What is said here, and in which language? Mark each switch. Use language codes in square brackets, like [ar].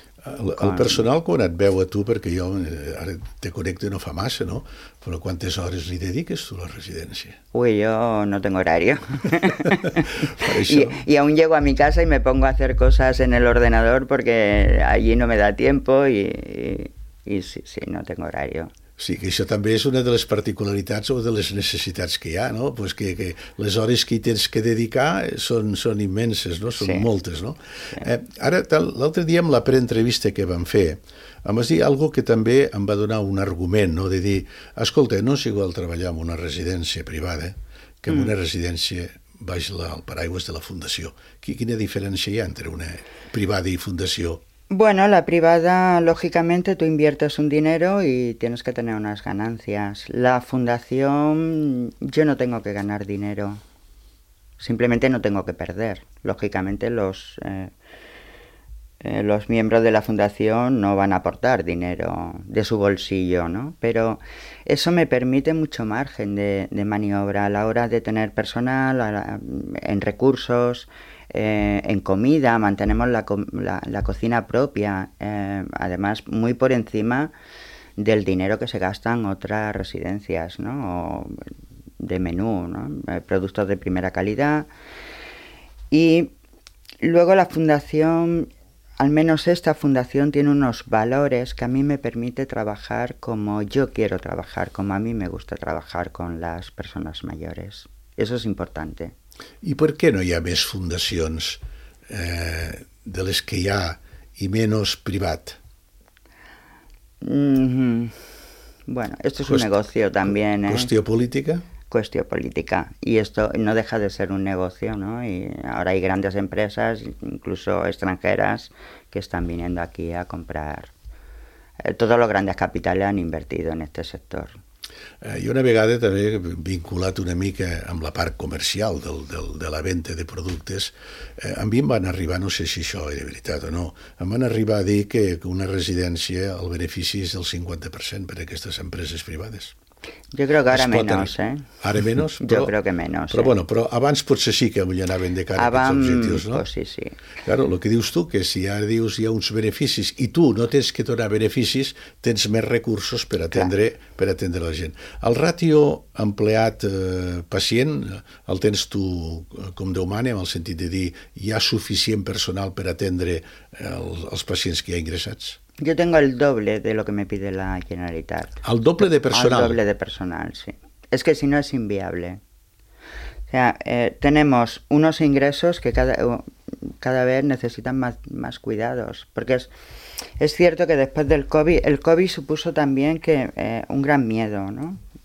[ca] El personal quan et veu a tu, perquè jo ara te connecto i no fa massa, no? Però quantes hores li dediques tu a la residència? Ui, jo [es] no tengo horario. [ca] Per això. [es] I aún llego a mi casa y me pongo a hacer cosas en el ordenador porque allí no me da tiempo y sí, no tengo horario. [ca] Sí, que això també és una de les particularitats o de les necessitats que hi ha, no? Pues que les hores que hi tens que dedicar són immenses, no? Són sí. Moltes, no? Sí. Ara, l'altre dia amb la preentrevista que vam fer, em vas dir algo que també em va donar un argument, no? De dir, escolta, no és igual treballar en una residència privada que en una residència baix al paraigües de la Fundació. Quina diferència hi ha entre una privada i Fundació? [es] Bueno, la privada, lógicamente, tú inviertes un dinero y tienes que tener unas ganancias. La fundación, yo no tengo que ganar dinero, simplemente no tengo que perder. Lógicamente, los miembros de la fundación no van a aportar dinero de su bolsillo, ¿no? Pero eso me permite mucho margen de maniobra a la hora de tener personal, en recursos... en comida, mantenemos la cocina propia, además muy por encima del dinero que se gastan otras residencias, ¿no? O de menú, ¿no? Productos de primera calidad. Y luego la fundación, al menos esta fundación, tiene unos valores que a mí me permite trabajar como yo quiero trabajar, como a mí me gusta trabajar con las personas mayores. Eso es importante. [ca] I per què no hi ha més fundacions de les que hi ha i menys privat? [es] Bueno, esto es un negocio también. [ca] ¿Qüestió política? Qüestió política. [es] Y esto no deja de ser un negocio, ¿no? Y ahora hay grandes empresas, incluso extranjeras, que están viniendo aquí a comprar. Todos los grandes capitales han invertido en este sector. [ca] I una vegada també vinculat una mica amb la part comercial de la venda de productes, a mi em van arribar, no sé si això era veritat o no, em van arribar a dir que una residència el benefici és del 50% per a aquestes empreses privades. Jo crec que ara menys, eh? Ara menys? Jo crec que menys. Però bueno, però abans potser sí que avui anaven de cara abans, a aquests objectius, no? Pues sí, sí. Claro, el que dius tu, que si ara dius hi ha uns beneficis i tu no tens que donar beneficis, tens més recursos per atendre, clar, per atendre la gent. El ratio empleat-pacient el tens tu com Déu mana, en el sentit de dir hi ha suficient personal per atendre els pacients que hi ha ingressats? [es] Yo tengo el doble de lo que me pide la Generalitat. ¿Al doble de personal? Al doble de personal, sí. Es que si no es inviable. O sea, tenemos unos ingresos que cada vez necesitan más cuidados. Porque es cierto que después del COVID, el COVID supuso también que un gran miedo, ¿no?